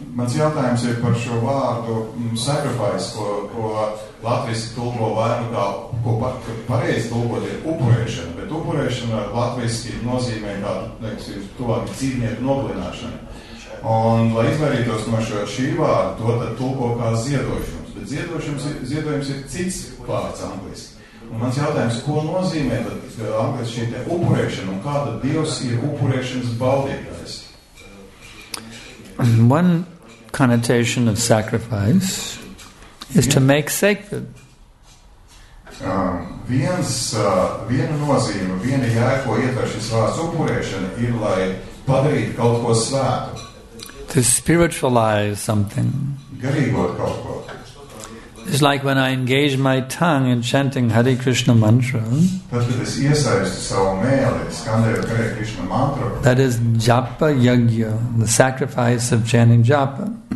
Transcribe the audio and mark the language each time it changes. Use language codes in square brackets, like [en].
[lv] Mans jautājums ir par šo vārdu sacrifice, ko latviski tulko vairāk kā, ko pareizi tulkot ir upurēšana, bet upurēšana latviski nozīmē tā, teiksim, tuvāk dzīvnieku noglināšana. Un, lai izvairītos no šo šī vārdu, to tad tulko kā ziedošums. Bet ziedojums ir cits vārds angliski. Un mans jautājums, ko nozīmē tad angliski šī te upurēšana un kāda Dievs ir upurēšanas baudītājs? [en] One connotation of sacrifice is to make sacred. [lv] Viena nozīme, viena jēga, ko ietver šis vārds upurēšana, ir lai padarīt kaut ko svētu. [en] To spiritualize something. [lv] Garīgot kaut ko. [en] It's like when I engage my tongue in chanting Hare Krishna mantra. That is japa yagya, the sacrifice of chanting japa.